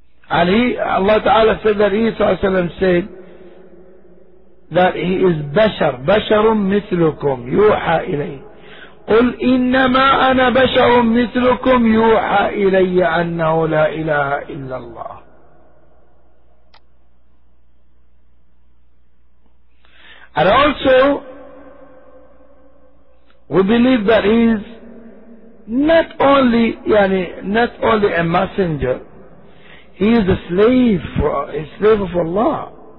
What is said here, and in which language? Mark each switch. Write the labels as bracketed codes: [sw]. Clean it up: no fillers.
[en] And Allah Ta'ala said that Isa A.S. said that he is [ar] bashar, basharun mithlukum, yuha ilayhi. قل إنما أنا بشر مثلكم يوحى إلي أنه لا إله إلا الله. [en] And also we believe that he is not only a messenger, he is a slave of Allah.